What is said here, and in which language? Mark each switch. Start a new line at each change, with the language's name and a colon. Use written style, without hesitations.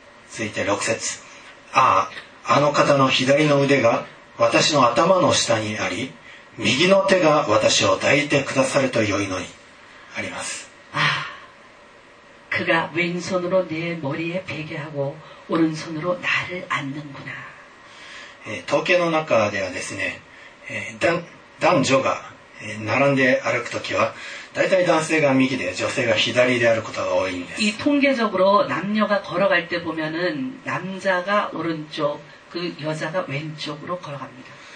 Japanese: 続いて6節ああ、あの方の左の腕が私の頭の下にあり右の手が私を抱いてくださるとよいのにあります。
Korean: 아그가왼손으로내머리에베개하고오른손으로나를안는구나
Japanese: 통계の中ではですね男女が並んで歩くときは大体男性が右で女性が左で歩くことが多いんです
Korean: 이통계적으로남녀가걸어갈때보면은남자가오른쪽그여자가왼쪽으로걸어갑니다